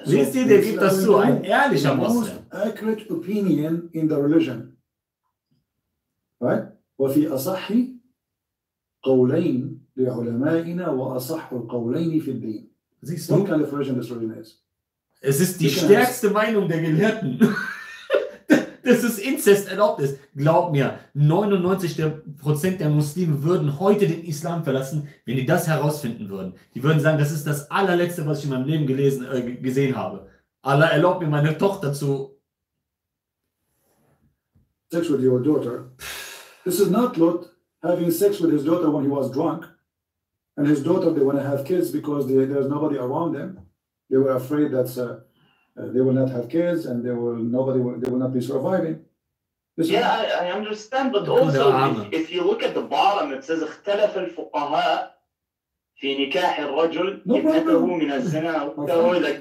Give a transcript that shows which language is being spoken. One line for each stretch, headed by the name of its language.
German: Siehst du, der gibt das zu, ein ehrlicher Moslem.
English: The most accurate opinion in the religion.
Arabic: وفي أصح قولين لعلمائنا وأصح القولين في الدين.
German: Siehst du?
English: What kind of religion this religion is?
German: Es ist die stärkste Meinung der Gelehrten. Das ist Inzest erlaubt ist. Glaub mir, 99% der Muslime würden heute den Islam verlassen, wenn die das herausfinden würden. Die würden sagen, das ist das allerletzte, was ich in meinem Leben gesehen habe. Allah erlaubt mir, meine Tochter zu...
English: Sex with your daughter. This is not Lot having sex with his daughter when he was drunk. And his daughter, they want to have kids because there's nobody around them. They were afraid that they will not have kids and they will not be surviving. This yeah, I understand. But also, if you look at the bottom, it says,
Arabic: اختلف الفقهاء في نكاح الرجل ابنته من الزنا.